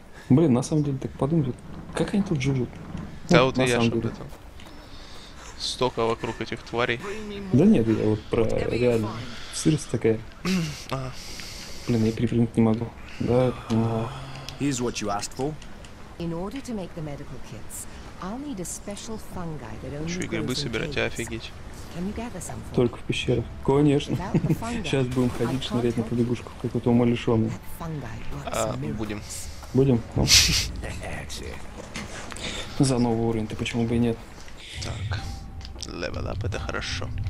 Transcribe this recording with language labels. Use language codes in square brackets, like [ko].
[ru] Блин, на самом деле, так подумайте, как они тут живут? Да, ну, вот и я же об этом. Столько вокруг этих тварей. Да нет, я вот про реально. Сырость такая. А. Блин, я перепрыгнуть не могу. Да, но... [en] Here's what you asked for. In order to make the medical kits, I'll need a special fungi that only... [ru] Чё, и грибы собирать, а офигеть. Только в пещерах. Конечно. Сейчас будем ходить шнырять на побегушку, какой-то умалишенный. Будем. Будем? За новый уровень, то почему бы и нет? Так. Level up, это хорошо.